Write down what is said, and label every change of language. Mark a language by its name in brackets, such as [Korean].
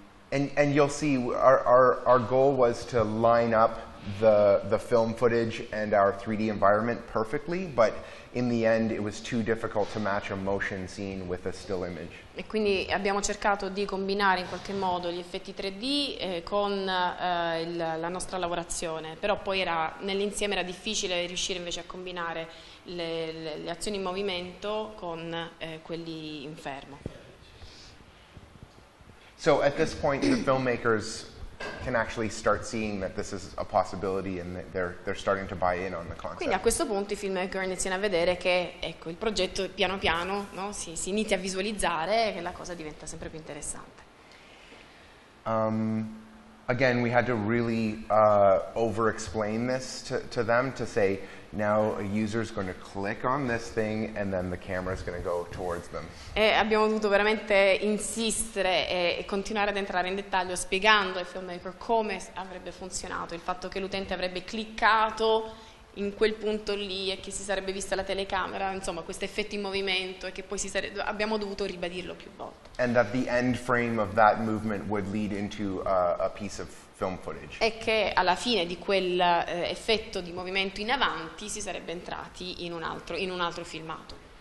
[English] And you'll see our goal was to line up the film footage and our 3D environment perfectly, but in the end it was too difficult to match a motion scene with a still image. [Italian] E quindi abbiamo cercato di combinare in qualche modo gli effetti 3D con la nostra lavorazione, però poi era nell'insieme era difficile riuscire invece a combinare le azioni in movimento con quelli in fermo. [English] So at this point the filmmakers can actually start seeing that this is a possibility and that they're starting to buy in on the concept. [Italian] Quindi a questo punto i filmmaker iniziano a vedere che ecco il progetto piano piano, no, si inizia a visualizzare e che la cosa diventa sempre più interessante. [English] Again, we had to really over explain this to them to say now a user is going to click on this thing and then the camera is going to go towards them. [Italian] E abbiamo dovuto veramente insistere e continuare ad entrare in dettaglio spiegando ai filmmaker come avrebbe funzionato il fatto che l'utente avrebbe cliccato in quel punto lì e che si sarebbe vista la telecamera, insomma, questo effetto in movimento e che poi si sarebbe, abbiamo dovuto ribadirlo più volte. [English] And that the end frame of that movement would lead into a piece of film footage. [Italian] E che alla fine di quel effetto di movimento in avanti si sarebbe entrati in un altro filmato.